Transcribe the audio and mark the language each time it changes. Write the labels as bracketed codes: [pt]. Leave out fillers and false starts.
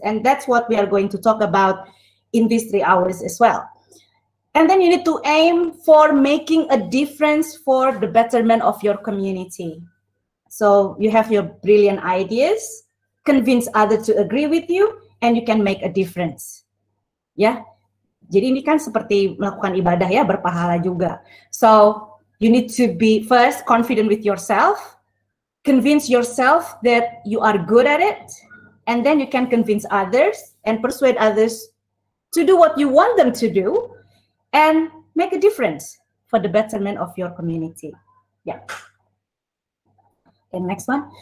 [en] And that's what we are going to talk about in these 3 hours as well. And then you need to aim for making a difference for the betterment of your community. So you have your brilliant ideas, convince others to agree with you, and you can make a difference. Yeah. [id] Jadi ini kan seperti melakukan ibadah ya, berpahala juga. [en] So you need to be first confident with yourself, convince yourself that you are good at it, and then you can convince others and persuade others to do what you want them to do and make a difference for the betterment of your community. Yeah. And next one.